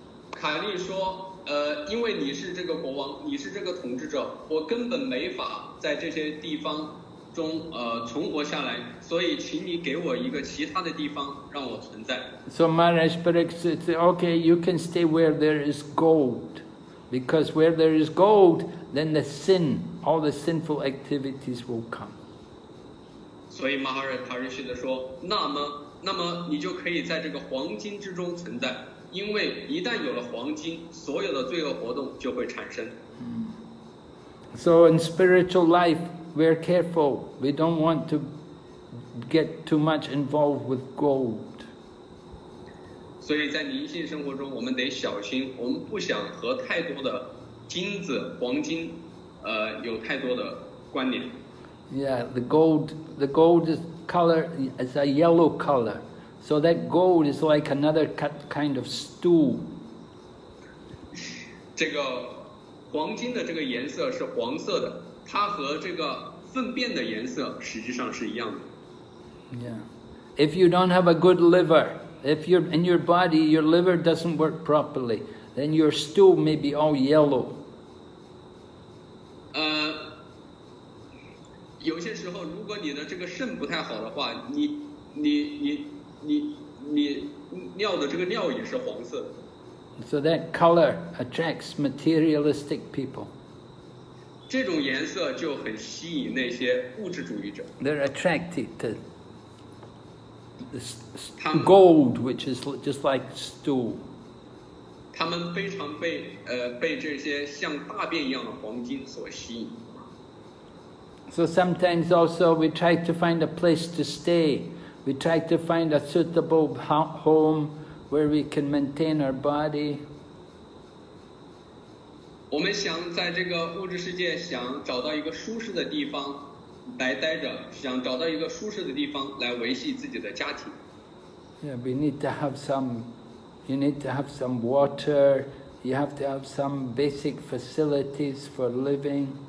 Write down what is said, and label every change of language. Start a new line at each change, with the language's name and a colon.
Chinese: 卡利说，因为你是这个国王，你是这个统治者，我根本没法在这些地方。中存活下来，所以请你给我一个其他的地方让我存在。
English: So Maharaj Parikshit said, "Okay, you can stay where there is gold, because where there is gold, then the sin, all the sinful activities will come."
Chinese: 所以 Maharaj Parikshit 说，那么你就可以在这个黄金之中存在，因为一旦有了黄金，所有的罪恶活动就会产生。
English: So in spiritual life. We're careful. We don't want to get too much involved with gold. So, in
Chinese: 宁静生活中，我们得小心。我们不想和太多的金子、黄金，有太多的关联。
English: Yeah, the gold is color is a yellow color. So that gold is like another kind of stool.
Chinese: 这个黄金的这个颜色是黄色的。它和这个粪便的颜色实际上是一样的。
English: Yeah. If you don't have a good liver, if you're in your body, your liver doesn't work properly, then your stool may be all yellow.
Chinese: 有些时候，如果你的这个肾不太好的话，你尿的这个尿也是黄色。
English: So that color attracts materialistic people.
Chinese: 这种颜色就很吸引那些物质主义者。
English: They're attracted to this gold, which is just like stool.
Chinese: 他们非常被这些像大便一样的黄金所吸引。
English: So sometimes also we try to find a place to stay. We try to find a suitable home where we can maintain our body.
Chinese: 我们想在这个物质世界想找到一个舒适的地方来待着，想找到一个舒适的地方来维系自己的家庭。
English: Yeah, we need to have some, you need to have some water, you have to have some basic facilities for living.